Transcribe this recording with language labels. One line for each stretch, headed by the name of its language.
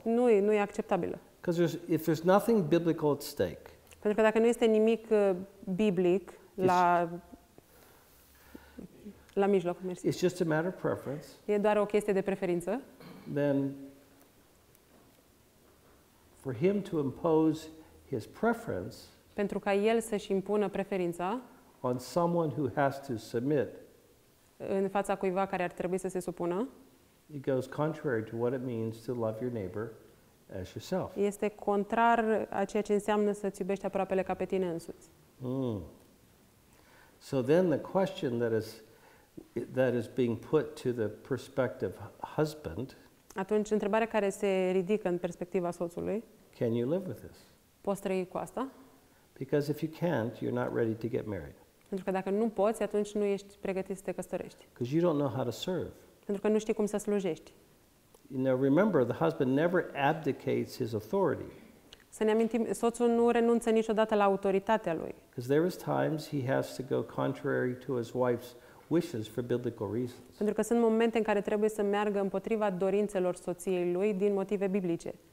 Romanian: Nu e acceptabilă.
English: Because if there's nothing biblical at stake,
Romanian: pentru că dacă nu este nimic biblic la mijloc, mersi.
English: It's just a matter of preference.
Romanian: E doar o chestie de preferință.
English: Then for him to impose his preference,
Romanian: pentru ca el să-și impună preferința,
English: on someone who has to submit,
Romanian: în fața cuiva care ar trebui să se supună,
English: it goes contrary to what it means to love your neighbor as yourself.
Romanian: Este contrar a ceea ce înseamnă să-ți iubești aproapele ca pe tine însuți.
English: So then the question that is being put to the prospective husband.
Romanian: Atunci, întrebarea care se ridică în perspectiva soțului.
English: Can you live with this?
Romanian: Poți trăi cu asta?
English: Because if you can't, you're not ready to get married.
Romanian: Pentru că dacă nu poți, atunci nu ești pregătit să te căsătorești.
English: Because you don't know how to serve.
Romanian: Pentru că nu știi cum să slujești.
English: You know, remember, the husband never abdicates his authority.
Romanian: Să ne amintim, soțul nu renunță niciodată la autoritatea lui.
English: Because there is times he has to go contrary to his wife's wishes for biblical reasons.
Romanian: Pentru că sunt momente în care trebuie să meargă împotriva dorințelor soției lui din motive biblice.